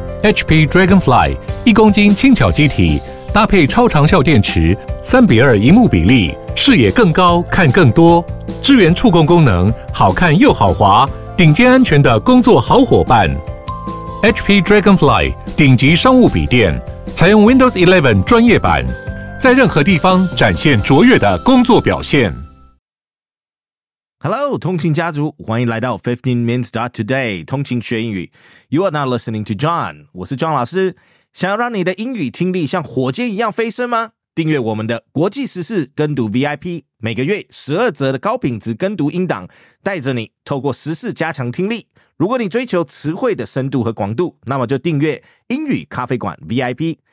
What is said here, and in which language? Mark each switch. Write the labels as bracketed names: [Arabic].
[Chinese] HP Dragonfly 一公斤轻巧机体，搭配超长效电池，3:2萤幕比例，视野更高，看更多，支援触控功能，好看又好滑，顶尖安全的工作好伙伴。 HP Dragonfly 顶级商务笔电，采用 Windows 11专业版，在任何地方展现卓越的工作表现。 Hello, 通勤家族，欢迎来到 15minutes.today 通勤学英语。 [English] You are now listening to John, [Chinese] 我是 John 老师。想要让你的英语听力像火箭一样飞升吗？订阅我们的国际时事跟读 VIP, 每个月12折的高品质跟读音档，带着你透过时事加强听力。如果你追求词汇的深度和广度，那么就订阅英语咖啡馆 VIP。